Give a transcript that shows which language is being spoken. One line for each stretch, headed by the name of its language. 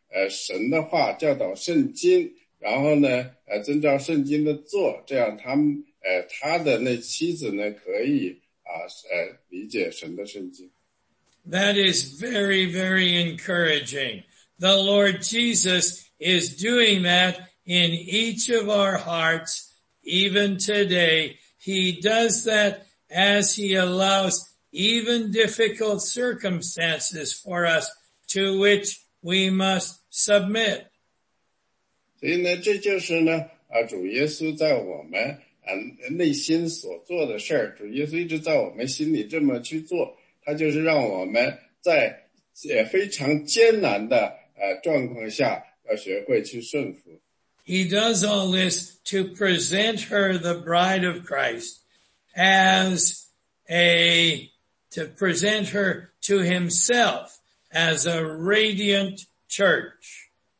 Chinese: 神的话教导圣经，然后呢，遵照圣经的做，这样他的那妻子呢，可以理解神的圣经。
English: That is very, very encouraging. The Lord Jesus is doing that in each of our hearts, even today. He does that as he allows even difficult circumstances for us to which we must submit.
Chinese: 所以呢，这就是呢，主耶稣在我们内心所做的事儿。主耶稣一直在我们心里这么去做，他就是让我们在非常艰难的状况下，要学会去顺服。
English: He does all this to present her, the bride of Christ, as a, to present her to himself as a radiant church.